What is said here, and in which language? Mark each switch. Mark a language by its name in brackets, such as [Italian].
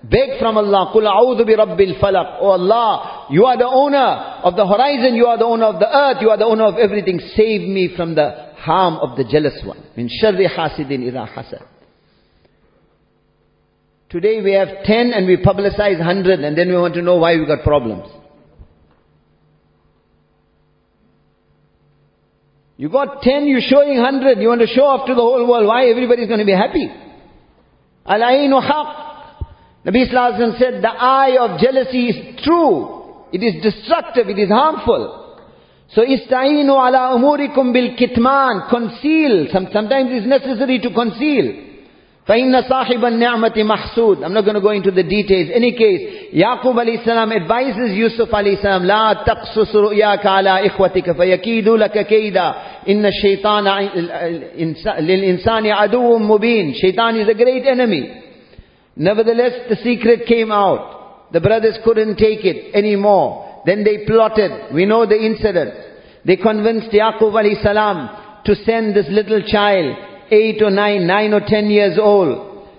[English] Beg from Allah, [Arabic] قُلْ أَعُوذُ بِرَبِّ الْفَلَقِ. [English] Oh Allah, you are the owner of the horizon, you are the owner of the earth, you are the owner of everything. Save me from the harm of the jealous one. [Arabic] مِنْ شَرِّ حَاسِدٍ إِذَا حَسَدٍ. [English] Today we have 10 and we publicize 100 and then we want to know why we got problems. You got 10, you're showing 100, you want to show off to the whole world, why everybody's going to be happy? [Arabic] Al-Ainu Haq. [English] Nabi Sallallahu Alaihi Wasallam said, the eye of jealousy is true. It is destructive, it is harmful. So, [Arabic] ista'inu ala umurikum bil kitman. [English] Conceal. Sometimes it's necessary to conceal. [Arabic] فَإِنَّ صَاحِبَ النِّعْمَةِ مَحْسُودٍ. [English] I'm not going to go into the details. Any case, Yaqub alayhi salam advises Yusuf alayhi salam, [Arabic] لَا تَقْصُصُ رُؤْيَاكَ عَلَىٰ إِخْوَتِكَ فَيَكِيدُ لَكَ كَيْدًا إِنَّ الشَّيْطَانَ لِلْإِنسَانِ عَدُوٌ مُبِينٌ. [English] Shaitan is a great enemy. Nevertheless, the secret came out. The brothers couldn't take it anymore. Then they plotted. We know the incident. They convinced Yaqub alayhi salam to send this little child, 8 or 9, 9 or 10 years old.